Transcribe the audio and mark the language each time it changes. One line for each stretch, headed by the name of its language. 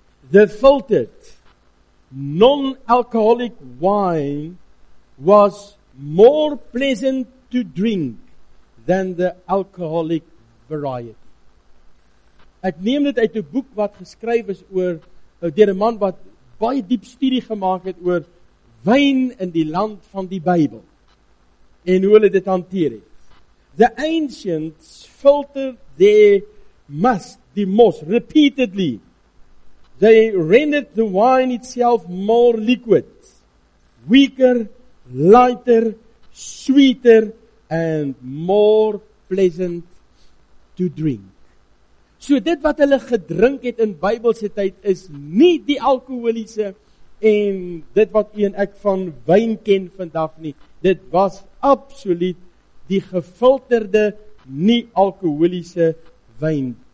English: The filtered non-alcoholic wine was more pleasant to drink than the alcoholic variety.
Afrikaans: Ek neem dit uit 'n boek wat geskryf is oor, deur 'n man wat baie diep studie gemaak het oor wyn in die land van die Bybel en hoe hulle dit hanteer het.
English: The ancients filtered their must, the most repeatedly. They rendered the wine itself more liquid, weaker, lighter, sweeter, and more pleasant to drink.
Afrikaans: So dit wat hulle gedrink het in Bybelse tyd is nie die alkoholiese en dit wat u en ek van wyn ken vandag nie. Dit was absoluut die gefilterde nie-alkoholiese wyn.